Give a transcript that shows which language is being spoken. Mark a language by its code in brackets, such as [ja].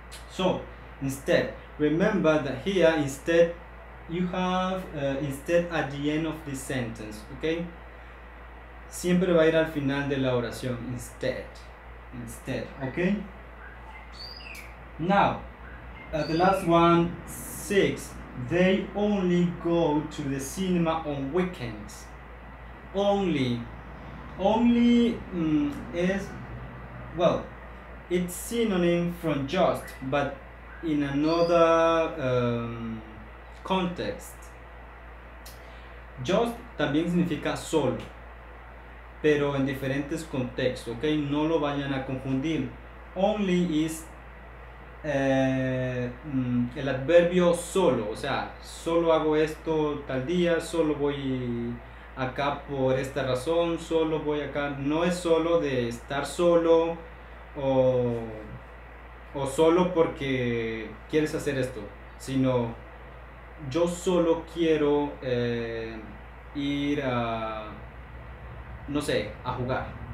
[en] So, instead, remember that here instead you have instead at the end of this sentence, ¿ok? [es] Siempre va a ir al final de la oración, instead, ¿ok? [en] Now, the last one, six. They only go to the cinema on weekends. Only. Only is, well, it's synonym from just, but in another context. [es] Just también significa solo, pero en diferentes contextos, ¿ok? No lo vayan a confundir. Only is el adverbio solo, o sea, solo hago esto tal día, solo voy acá por esta razón, solo voy acá, no es solo de estar solo o solo porque quieres hacer esto, sino yo solo quiero ir a, no sé, a jugar.